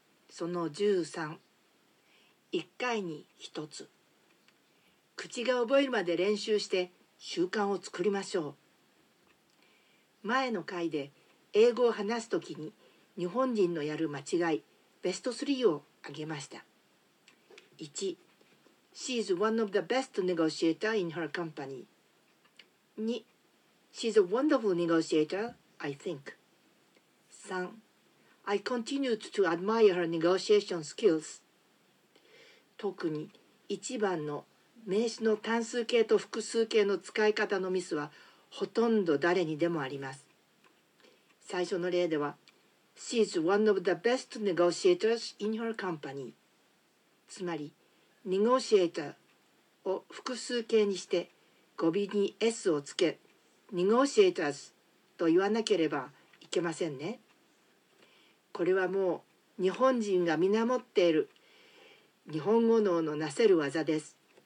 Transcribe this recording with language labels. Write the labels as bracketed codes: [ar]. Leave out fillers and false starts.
[ja] その13、一回に一つ。口が覚えるまで練習して習慣を作りましょう。前の回で英語を話すときに日本人のやる間違いベスト3を挙げました。 1. [en] She's one of the best negotiator in her company. 2. She's a wonderful negotiator, I think. 3. I continued to admire her negotiation skills. [ja] 特に1番の名詞の単数形と複数形の使い方のミスはほとんど誰にでもあります。最初の例では、 [en] She's one of the best negotiators in her company. [ja] つまり、negotiator を複数形にして語尾に S をつけ、negotiators と言わなければいけませんね。これはもう日本人が見守っている日本語能のなせる技です。